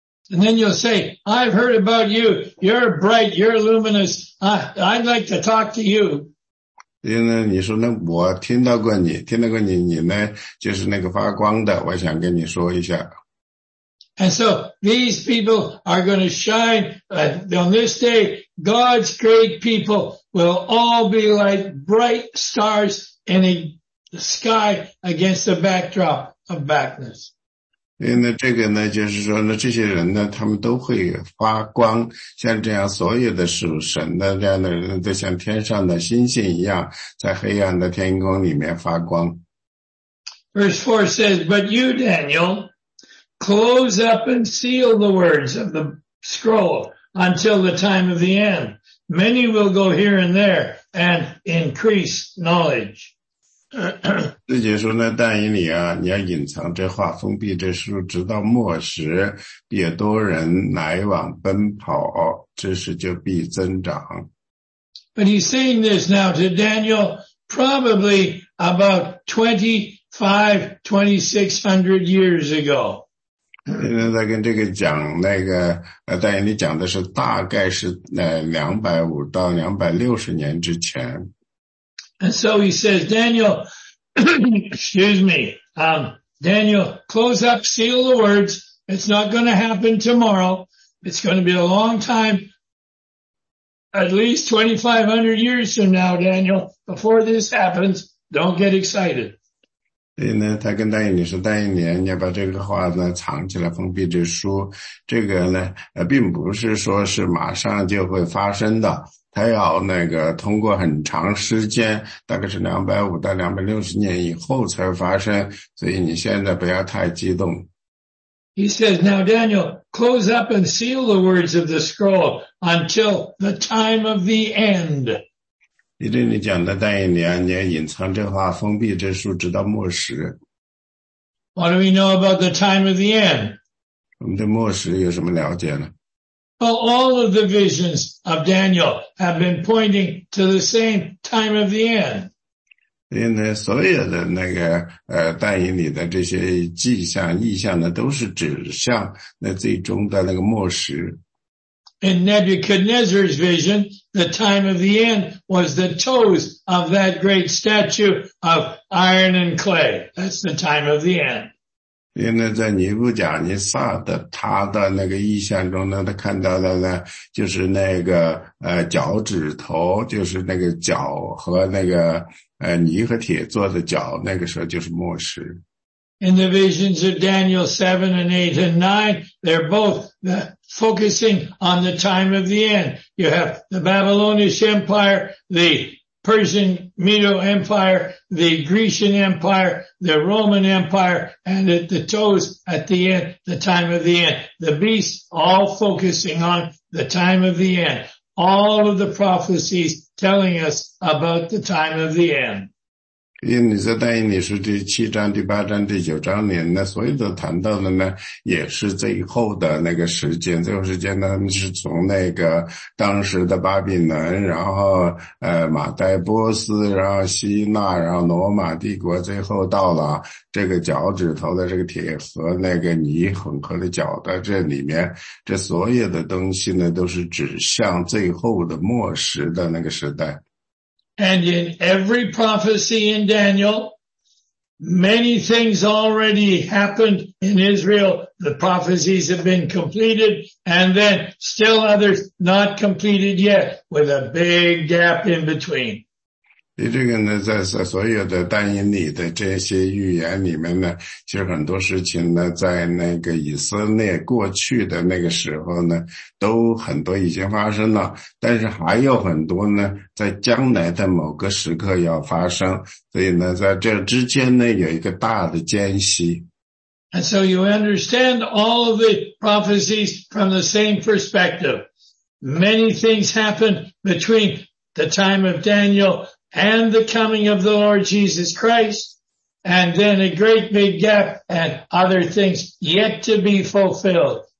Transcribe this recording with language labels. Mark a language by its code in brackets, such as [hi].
[en] And then you'll say, "I've heard about you. You're bright. You're luminous. I'd like to talk to you." [zh] 因为你说呢，我听到过你，听到过你，你呢就是那个发光的，我想跟你说一下。 [en] And so these people are going to shine on this day. God's great people will all be like bright stars in the sky against the backdrop of blackness. [zh] 因为这个呢，就是说呢，这些人呢，他们都会发光，像这样所有的属神的这样的人都像天上的星星一样，在黑暗的天空里面发光。 [en] Verse 4 says, "But you, Daniel." Close up and seal the words of the scroll until the time of the end. Many will go here and there and increase knowledge. [zh] 这节说呢，但以理啊，你要隐藏这话，封闭这书，直到末时，必有多人来往奔跑，知识就必增长。 [en] But he's saying this now to Daniel, probably about 2600 years ago. [zh] 现在在跟这个讲那个但以理讲的是大概是250到260年之前。 [en] And so he says, Daniel, excuse me, Daniel, close up, seal the words. It's not going to happen tomorrow. It's going to be a long time, at least 2500 years from now, Daniel, before this happens. Don't get excited. [zh] 所以呢，他跟但以理说：“但以理，你要把这个话呢藏起来，封闭这书。这个呢，并不是说是马上就会发生的，他要那个通过很长时间，大概是250到260年以后才发生。所以你现在不要太激动。” [en] He says, "Now Daniel, close up and seal the words of the scroll until the time of the end." [zh] 你对你讲的但以理啊，你要隐藏这话，封闭这书，直到末时。 [en] What do we know about the time of the end? [zh] 我们对末时有什么了解呢？ [en] Well, all of the visions of Daniel have been pointing to the same time of the end. [zh] 因为所有的那个但以理的这些迹象、意象呢，都是指向那最终的那个末时。 [en] In Nebuchadnezzar's vision, the time of the end was the toes of that great statue of iron and clay. That's the time of the end. [zh] 因为在尼布甲尼撒的他的那个意象中呢，他看到的呢，就是那个脚趾头，就是那个脚和那个泥和铁做的脚，那个时候就是末时。 [en] In the visions of Daniel 7 and 8 and 9, they're both focusing on the time of the end. You have the Babylonish Empire, the Persian Medo Empire, the Grecian Empire, the Roman Empire, and at the toes at the end, the time of the end. The beasts all focusing on the time of the end. All of the prophecies telling us about the time of the end. [zh] 因为你在但以理书第七章、第八章、第九章里，那所有的谈到的呢，也是最后的那个时间。最后时间呢，是从那个当时的巴比伦，然后马代波斯，然后希腊，然后罗马帝国，最后到了这个脚趾头的这个铁和那个泥混合的脚的这里面，这所有的东西呢，都是指向最后的末时的那个时代。 [en] And in every prophecy in Daniel, many things already happened in Israel. The prophecies have been completed, and then still others not completed yet, with a big gap in between. [zh] 这个呢，在所有的但以理的这些预言里面呢，其实很多事情呢，在那个以色列过去的那个时候呢，都很多已经发生了，但是还有很多呢，在将来的某个时刻要发生，所以呢，在这之间呢，有一个大的间隙。 [en] And so you understand all of the prophecies from the same perspective. Many things happen between the time of Daniel. And the coming of the Lord Jesus Christ, and then a great big gap and other things yet to be fulfilled.